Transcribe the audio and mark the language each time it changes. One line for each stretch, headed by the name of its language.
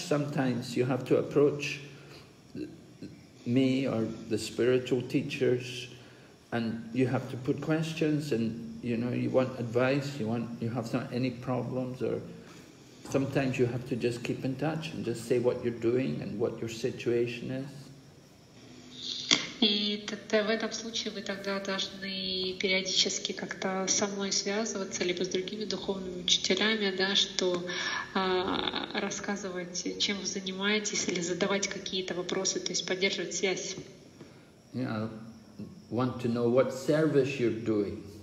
English: Sometimes you have to approach me or the spiritual teachers, and you have to put questions, and you know, you want advice, you have not any problems, or sometimes you have to just keep in touch and just say what you're doing and what your situation is.
Russian: И в этом случае вы тогда должны периодически как-то со мной связываться, либо с другими духовными учителями, да, что рассказывать, чем вы занимаетесь, или задавать какие-то вопросы, то есть поддерживать связь.
English: Yeah, I want to know what service you're doing.